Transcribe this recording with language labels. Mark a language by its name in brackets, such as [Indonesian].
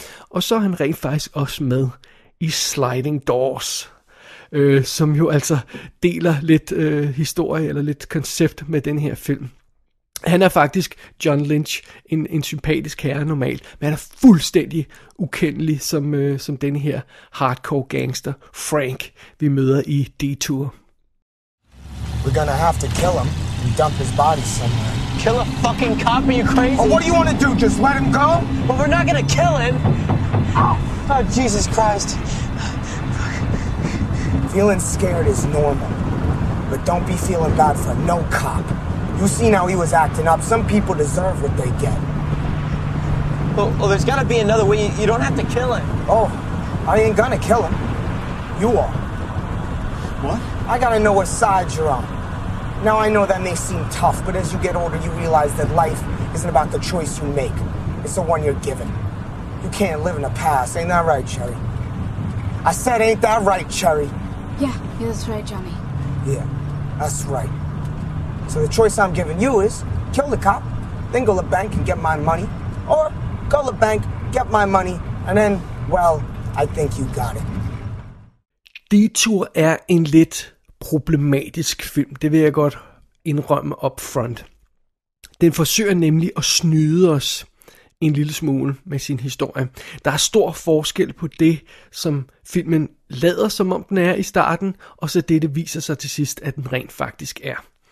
[Danish] Og så er han rent faktisk også med i Sliding Doors, som jo altså deler lidt historie eller lidt koncept med den her film. Han er faktisk, John Lynch, en sympatisk herre normalt, men han er fuldstændig ukendelig som den her hardcore gangster, Frank, vi møder i Detour. [English] We're gonna have to kill him and dump his body somewhere. Kill a fucking cop, are you crazy? Oh, what do you want to do, just let him go? Well, we're not gonna kill him. Oh, Jesus Christ. Feeling scared is normal, but don't be feeling bad for no cop. You seen how he was acting up. Some people deserve what they get. Well, there's gotta be another way. You don't have to kill him. Oh, I ain't gonna kill him. You are. What? I gotta know what side you're on. Now, I know that may seem tough, but as you get older, you realize that life isn't about the choice you make. It's the one you're given. You can't live in the past. Ain't that right, Cherry? I said, ain't that right, Cherry? Yeah, that's right, Johnny. Yeah, that's right. So the choice I'm giving you is kill the cop, then go to the bank and get my money, or go to the bank, get my money, and then, well, I think you got it. [Danish] Detour er en lidt problematisk film, det vil jeg godt indrømme [English] up front. [Danish] Den forsøger nemlig at snyde os en lille smule med sin historie. Der er stor forskel på det, som filmen lader som om den er i starten, og så det viser sig til sidst, at den rent faktisk er.